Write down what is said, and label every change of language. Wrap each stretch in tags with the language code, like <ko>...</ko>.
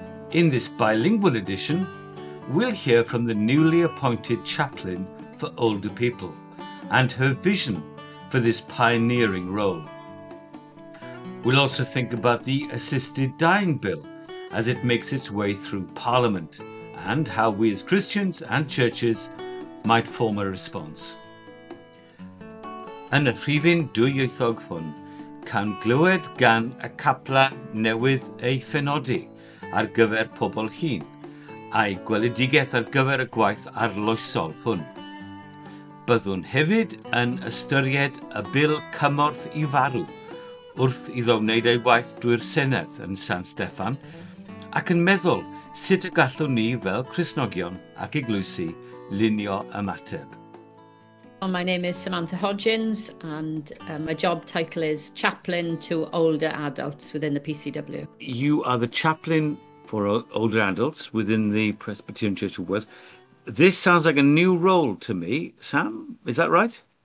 <en>In this bilingual edition, we'll hear from the newly appointed chaplain for older people and her vision for this pioneering role. We'll also think about the assisted dying bill as it makes its way through Parliament and how we as Christians and churches might form a response.</en> <cy>Yn y rhifyn dwyieithog hwn, cawn glywed gan y caplan newydd ei phenodi ar gyfer pobl hŷn a'i gweledigaeth ar gyfer y gwaith arloesol hwn. Byddwn hefyd yn ystyried y bil cymorth i farw wrth iddo wneud ei waith drwy'r Senedd yn San Steffan ac yn meddwl sut y gallwn ni fel Cristnogion ac Eglwysi linio ymateb.</cy> <en>Well, my name is Samantha Hodgins and my job title is Chaplain to Older Adults within the PCW. You are the Chaplain for Older Adults within the Presbyterian Church of Wales. This sounds like a new role to me, Sam, is that right?</en>